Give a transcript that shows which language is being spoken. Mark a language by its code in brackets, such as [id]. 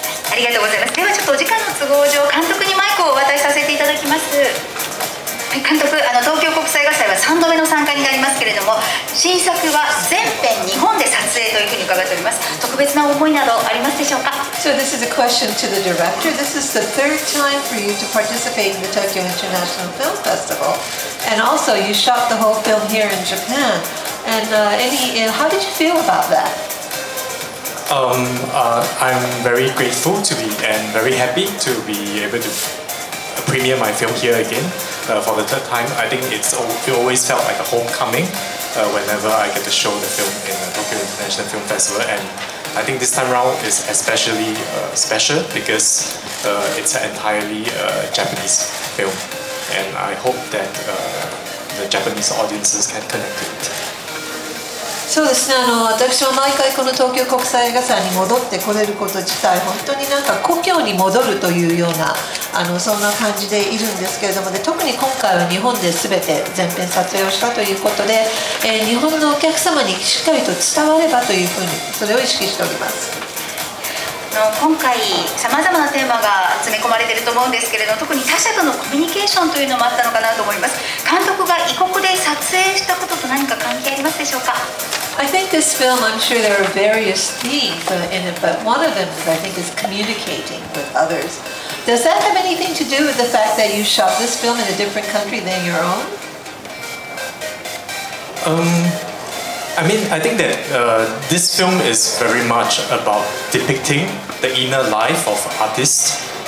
[ja] ありがとうございます。ではちょっとお時間の都合上、監督にマイクをお渡しさせていただきます。監督、東京国際映画祭は3度目の参加になりますけれども、新作は全編日本で撮影というふうに伺っております。特別な思いなどありますでしょうか？ [en] So this is a question to the director. This is the third time for you to participate in the Tokyo International Film Festival. And also, you shot the whole film here in Japan. And how did you feel about that? I'm very grateful to be and very happy to be able to premiere my film here again. For the third time, I think it always felt like a homecoming whenever I get to show the film in the Tokyo International Film Festival. And I think this time around is especially special because it's an entirely Japanese film. And I hope that the Japanese audiences can connect to it. [ja] そうですね、私は毎回この東京国際映画祭に戻ってこれること自体本当になんか故郷に戻るというようなそんな感じでいるんですけれども、で特に今回は日本で全て全編撮影をしたということで、日本のお客様にしっかりと伝わればというふうにそれを意識しております。今回さまざまなテーマが詰め込まれていると思うんですけれども、特に他者とのコミュニケーションというのもあったのかなと思います。監督が異国で撮影したことと何か関係ありますでしょうか？ [en] I think this film, I'm sure there are various themes in it, but one of them, I think, is communicating with others. Does that have anything to do with the fact that you shot this film in a different country than your own? I think that this film is very much about depicting the inner life of artists.